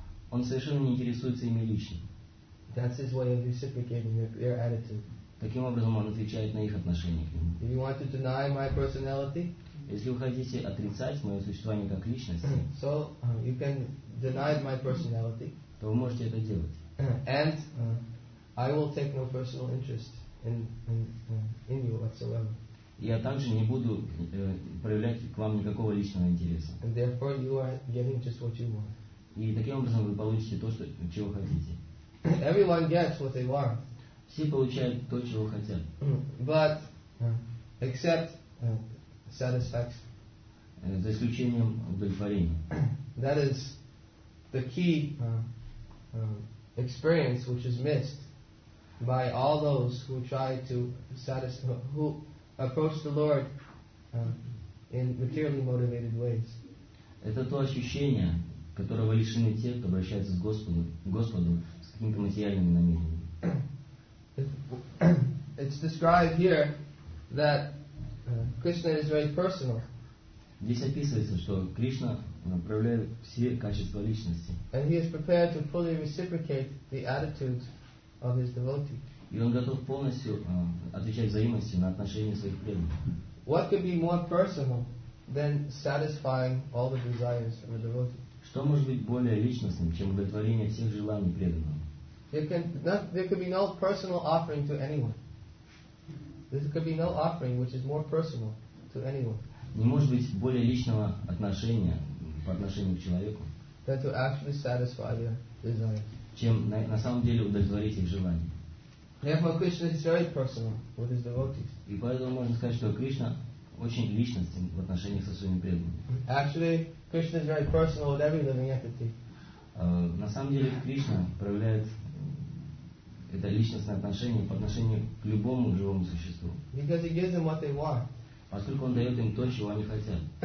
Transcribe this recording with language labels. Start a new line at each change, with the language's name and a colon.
Russian: Он совершенно не интересуется ими лично.
English: That's his way of reciprocating their attitude.
Russian: Таким образом, он отвечает на их отношение к Нему.
English: If you want to deny my personality,
Russian: если вы хотите отрицать мое существование как личности,
English: so, you can deny my personality,
Russian: то вы можете это делать.
English: And I will take no personal interest in you whatsoever.
Russian: Я также не буду проявлять к вам никакого личного интереса.
English: And therefore, you are getting just what you want.
Russian: И таким образом вы получите то, что чего хотите.
English: Everyone gets what they want.
Russian: Все получают то, чего хотят.
English: But except satisfaction.
Russian: За исключением удовлетворения.
English: That is the key. Experience which is missed by all those who try to satisfy, who approach the Lord in materially motivated ways.
Russian: Это то ощущение, которого лишены те, кто обращается к Господу с какими-то материальными намерениями.
English: It's described here that Krishna is very personal.
Russian: Здесь описывается, что Кришна проявляет все качества личности.
English: And he is prepared to fully reciprocate the attitude of his devotee.
Russian: И он готов полностью отвечать взаимности на отношения своих преданных.
English: What could be more personal than satisfying all the desires of a devotee?
Russian: Что может быть более личностным, чем удовлетворение всех желаний преданного?
English: There could be no personal offering to anyone. There could be no offering which is more personal to anyone.
Russian: Не может быть более личного отношения по отношению к человеку,
English: than to actually satisfy their desires.
Russian: Чем на самом деле удовлетворить их желания.
English: Therefore, Krishna is very personal with his devotees.
Russian: И поэтому можно сказать, что Кришна очень личностен в отношениях со своими преданными.
English: Actually, Krishna is very personal with every living entity.
Russian: На самом деле Кришна проявляет это личностное отношение по отношению к любому живому существу.
English: Because he gives them what they want.
Russian: Поскольку он дает им то, чего они хотят.